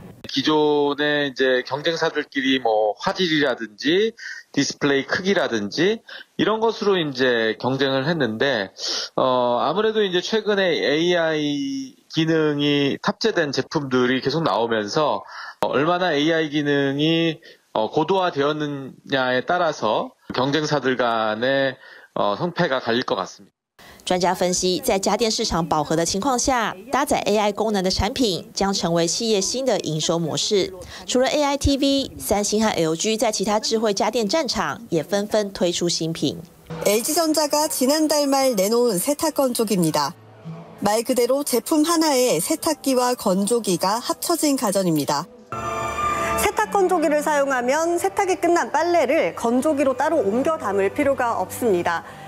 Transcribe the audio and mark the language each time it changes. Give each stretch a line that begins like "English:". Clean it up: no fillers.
Korean: 기존의 이제 경쟁사들끼리 뭐 화질이라든지 디스플레이 크기라든지 이런 것으로 이제 경쟁을 했는데 아무래도 이제 최근에 AI 기능이 탑재된 제품들이 계속 나오면서 얼마나 AI 기능이 고도화되었느냐에 따라서 경쟁사들 간의 성패가 갈릴 것 같습니다.
Chinese: 专家分析，在家电市场饱和的情况下，搭载 AI 功能的产品将成为企业新的营收模式。除了 AI TV， 三星和 LG 在其他智慧家电战场也纷纷推出新品。
Korean: LG 전자가 지난달 말 내놓은 세탁건조기입니다. 말 그대로 제품 하나에 세탁기와 건조기가 합쳐진 가전입니다. 세탁건조기를 사용하면 세탁이 끝난 빨래를 건조기로 따로 옮겨 담을 필요가 없습니다.